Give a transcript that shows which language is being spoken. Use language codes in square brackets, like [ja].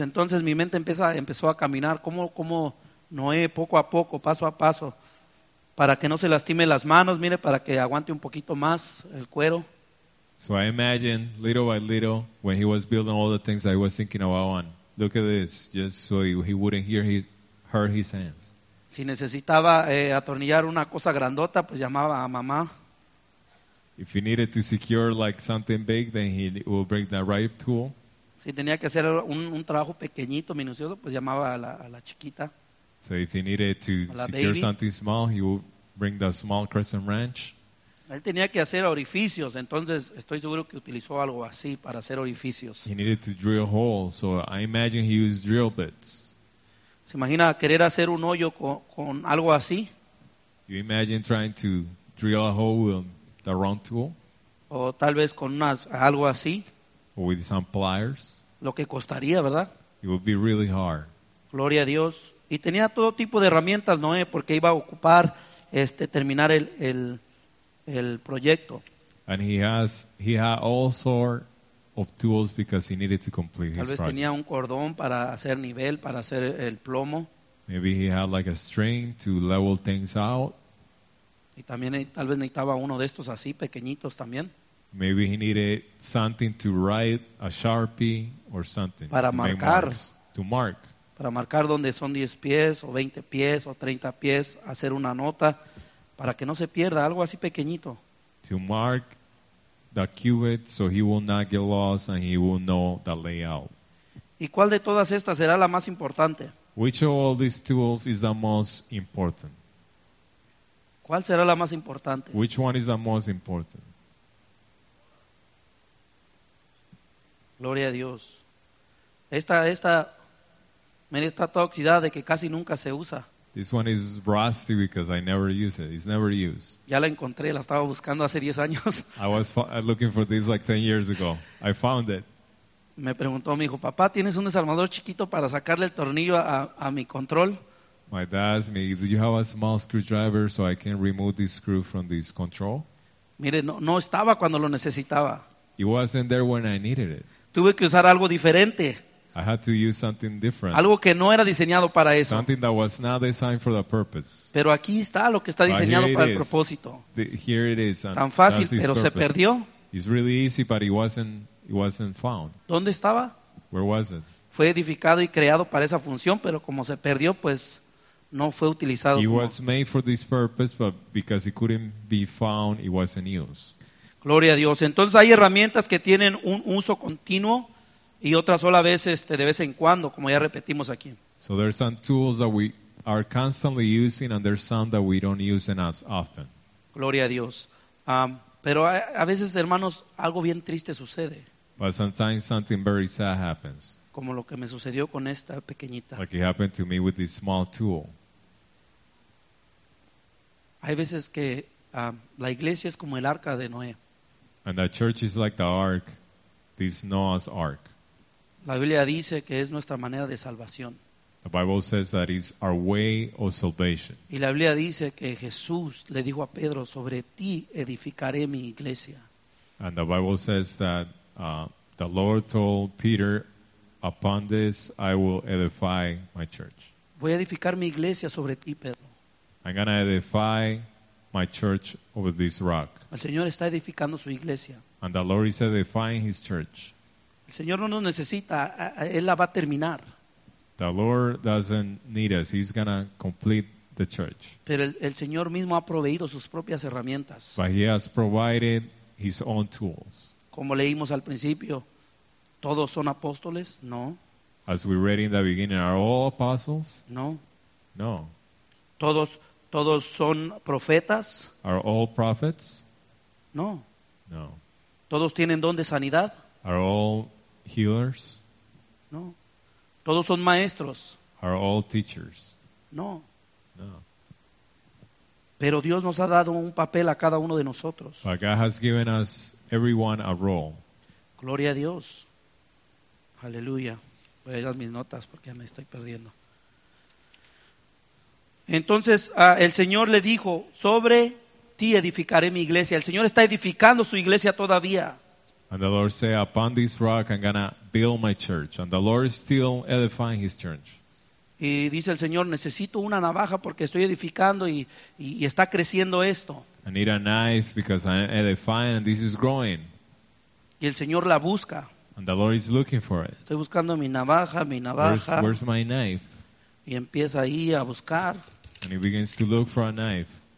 [es] Entonces mi mente empezó a caminar como Noé, poco a poco, paso a paso, para que no se lastime las manos, mire, para que aguante un poquito más el cuero. [en] So I imagine, little by little, when he was building all the things that he was thinking about, and look at this, just so he wouldn't hurt his hands. [es] Si necesitaba atornillar una cosa grandota, pues llamaba a mamá. [en] If he needed to secure like something big, then he will bring the right tool. [es] Si tenía que hacer un trabajo pequeñito, minucioso, pues llamaba a la chiquita. [en] So if he needed to secure baby. Something small, he will bring the small crescent wrench. [es] Él tenía que hacer orificios, entonces estoy seguro que utilizó algo así para hacer orificios. [en] He needed to drill holes, so I imagine he used drill bits. [es] ¿Se imagina querer hacer un hoyo con algo así? [en] You imagine trying to drill a hole with the wrong tool? [es] O tal vez con algo así. [en] Or with some pliers. [es] Lo que costaría, ¿verdad? [en] It would be really hard. [es] Gloria a Dios. Y tenía todo tipo de herramientas, Noé, porque iba a ocupar terminar el proyecto. [en] And he had all sorts of tools because he needed to complete his project. [es] Tal vez tenía un cordón para hacer nivel, para hacer el plomo. [en] Maybe he had like a string to level things out. [es] Y también tal vez necesitaba uno de estos así pequeñitos también. [en] Maybe he needed something to write, a Sharpie or something. [es] Para marcar. [en] To mark. [es] Para marcar donde son 10 pies o 20 pies o 30 pies, hacer una nota. Para que no se pierda, algo así pequeñito. [en] To mark the cubit so he will not get lost and he will know the layout. [es] ¿Y cuál de todas estas será la más importante? [en] Which of all these tools is the most important? [es] ¿Cuál será la más importante? [en] Which one is the most important? [es] Gloria a Dios. Esta, mire, está toda oxidada de que casi nunca se usa. [en] This one is rusty because I never use it. It's never used. [es] Ya la encontré, la estaba buscando hace 10 años. [en] I was looking for this like 10 years ago. I found it. [es] Me preguntó mi hijo, papá, ¿tienes un desarmador chiquito para sacarle el tornillo a mi control? [en] My dad asked me, do you have a small screwdriver so I can remove this screw from this control? [es] Mire, no estaba cuando lo necesitaba. [en] It wasn't there when I needed it. [es] Tuve que usar algo diferente. [en] I had to use something different. [es] Algo que no era diseñado para eso. [en] Something that was not designed for the purpose. [es] Pero aquí está lo que está diseñado para el propósito. [en] Here it is. [es] Tan fácil, pero se perdió. [en] It's really easy, but it wasn't found. [es] ¿Dónde estaba? [en] Where was it? [es] Fue edificado y creado para esa función, pero como se perdió, pues no fue utilizado. [en] It was made for this purpose, but because it couldn't be found, it wasn't used. [es] Gloria a Dios. Entonces hay herramientas que tienen un uso continuo y otras sola vez, de vez en cuando, como ya repetimos aquí. [en] So there's some tools that we are constantly using and there's some that we don't use as often. [es] Gloria a Dios. Pero a veces, hermanos, algo bien triste sucede. [en] But sometimes something very sad happens. [es] Como lo que me sucedió con esta pequeñita. [en] Like it happened to me with this small tool. [es] Hay veces que la iglesia es como el arca de Noé. [en] And the church is like the ark, this Noah's ark. [es] La Biblia dice que es nuestra manera de salvación. [en] The Bible says that it's our way of salvation. [es] Y la Biblia dice que Jesús le dijo a Pedro, sobre ti edificaré mi iglesia. [en] And the Bible says that the Lord told Peter, upon this I will edify my church. [es] Voy a edificar mi iglesia sobre ti, Pedro. [en] I'm going to edify my church over this rock. [es] El Señor está edificando su iglesia. [en] And the Lord is edifying his church. [es] El Señor no nos necesita, Él la va a terminar. [en] The Lord doesn't need us. He's going to complete the church. [es] Pero el Señor mismo ha proveído sus propias herramientas. [en] But he has provided his own tools. [es] Como leímos al principio, ¿todos son apóstoles? No. [en] As we read in the beginning, are all apostles? [es] No. [en] No. [es] ¿Todos son profetas? [en] Are all prophets? [es] No. [en] No. [es] ¿Todos tienen don de sanidad? [en] Are all healers? [es] No. ¿Todos son maestros? [en] Are all teachers? [es] No. [en] No. [es] Pero Dios nos ha dado un papel a cada uno de nosotros. [en] But God has given us everyone a role. [es] Gloria a Dios. Aleluya. Voy a ir a mis notas porque ya me estoy perdiendo. Entonces, el Señor le dijo, sobre ti edificaré mi iglesia. El Señor está edificando su iglesia todavía. [en] And the Lord said, upon this rock I'm going to build my church. And the Lord is still edifying his church. [es] Y dice el Señor, necesito una navaja porque estoy edificando y está creciendo esto. [en] I need a knife because I'm edifying and this is growing. [es] Y el Señor la busca. [en] And the Lord is looking for it. [es] Estoy buscando mi navaja. [en] Where's my knife? [es] Y empieza ahí a buscar. [en] And he begins to look for a knife.